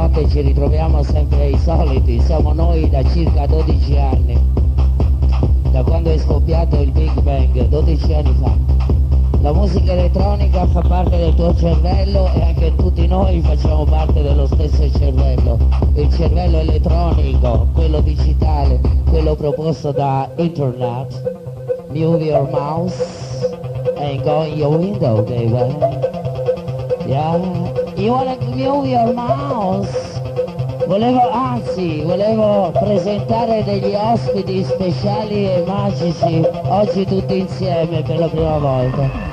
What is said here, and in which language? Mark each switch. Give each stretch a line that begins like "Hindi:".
Italian: Ci ritroviamo sempre i soliti, siamo noi da circa 12 anni, da quando è scoppiato il Big Bang, 12 anni fa. La musica elettronica fa parte del tuo cervello e anche tutti noi facciamo parte dello stesso cervello, il cervello elettronico, quello digitale, quello proposto da Internet.
English: Move your mouse and go in your window, baby. Yeah, you wanna move your mouse?
Italian: Volevo presentare degli ospiti speciali e magici oggi tutti insieme per la prima volta.